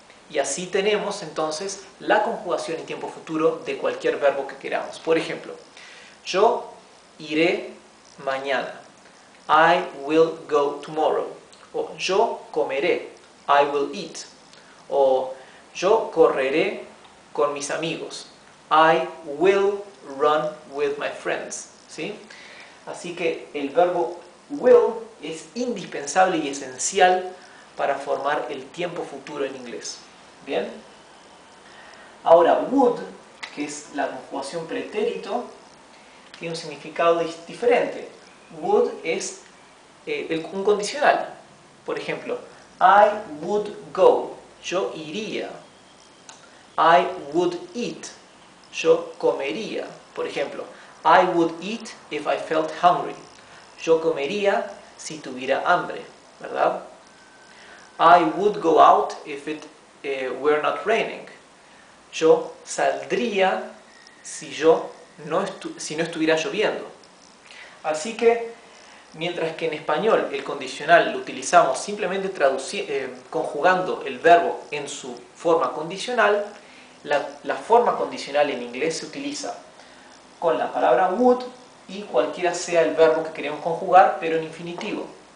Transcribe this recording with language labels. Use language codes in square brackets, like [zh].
[es] Y así tenemos entonces la conjugación en tiempo futuro de cualquier verbo que queramos. Por ejemplo, yo iré mañana. [en] I will go tomorrow. [es] O yo comeré. [en] I will eat. [es] O yo correré con mis amigos. [en] I will run with my friends. [es] ¿Sí? Así que el verbo will es indispensable y esencial para formar el tiempo futuro en inglés. ¿Bien? Ahora, would, que es la conjugación pretérito, tiene un significado diferente. Would es un condicional. Por ejemplo, [en] I would go. [es] Yo iría. [en] I would eat. [es] Yo comería. Por ejemplo, [en] I would eat if I felt hungry. [es] Yo comería si tuviera hambre, ¿verdad? [en] I would go out if it were not raining. [es] Yo saldría si no estuviera lloviendo. Así que, mientras que en español el condicional lo utilizamos simplemente conjugando el verbo en su forma condicional, la forma condicional en inglés se utiliza con la palabra would y cualquiera sea el verbo que queremos conjugar, pero en infinitivo.